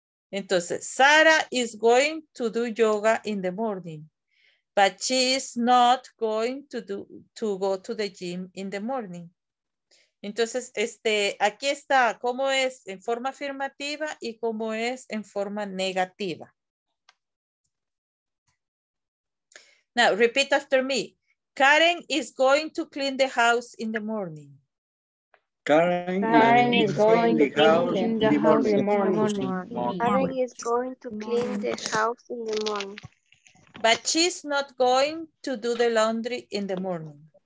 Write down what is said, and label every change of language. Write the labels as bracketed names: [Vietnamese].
[Spanish] Entonces, [English] Sarah is going to do yoga in the morning. But she is not going to go to the gym in the morning. [Spanish] Entonces, aquí está cómo es en forma afirmativa y cómo es en forma negativa. [English] Now, repeat after me. Karen is going to clean the house in the morning. Karen is going to clean the house in the morning. Karen is going to clean the house in the morning. But she's not going to do the laundry in the morning.